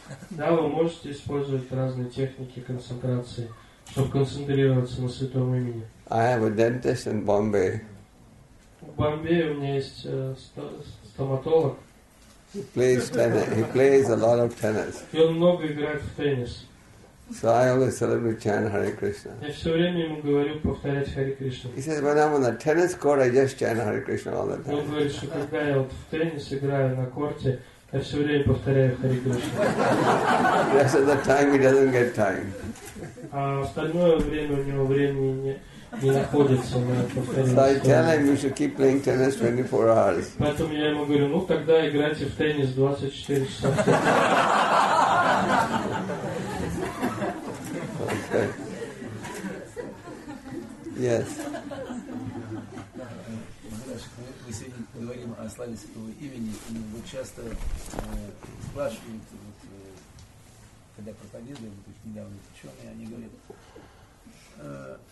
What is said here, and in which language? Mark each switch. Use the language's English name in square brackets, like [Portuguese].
[Russian] Да, вы можете использовать разные техники концентрации, чтобы концентрироваться на святом имени. [English] I have a dentist in Bombay. [Russian] В Бомбее у меня есть стоматолог. [English] He plays a lot of tennis. [Russian] И он много играет в теннис. [English] So I always tell him to chant Hare Krishna. [Russian] Я все время ему говорю повторять Hare Krishna. [English] He says, when I'm on the tennis court, I just chant Hare Krishna all the time. [Russian] Он говорит, что когда я вот в теннис играю на корте, я все время повторяю Hare Krishna. [English] Rest of the time he doesn't get time. [Russian] А остальное время у него времени нет. [English] So I tell him you should keep playing tennis 24 hours. [Russian] Поэтому я ему говорю, ну тогда играйте в теннис 24 часа. [English] Okay. Yes. [Russian] Мы сегодня говорим о славе святого имени, и вы часто спрашиваете, вот, когда проповедуем, то есть недавно ученые, они говорят.